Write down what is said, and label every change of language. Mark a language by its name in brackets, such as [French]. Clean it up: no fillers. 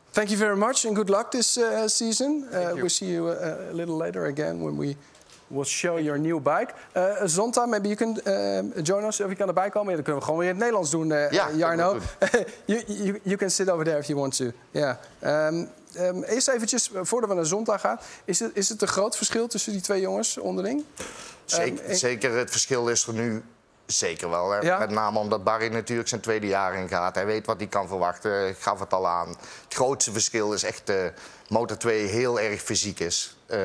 [English] Thank you very much and good luck this season. We'll see you a little later again when we will show your new bike. Zonta, maybe you can join us if you can [Dutch] erbij komen. Dat kunnen we gewoon weer in het Nederlands doen, Jarno. [English] you can sit over there if you want to. Yeah. [Dutch] Eerst eventjes, voordat we naar Zonta gaan, is het een groot verschil tussen die twee jongens onderling? Zeker, het verschil is er nu zeker wel. Hè? Ja? Met name omdat Barry natuurlijk zijn tweede jaar in gaat. Hij weet wat hij kan verwachten. Ik gaf het al aan. Het grootste verschil is echt dat Moto2 heel erg fysiek is.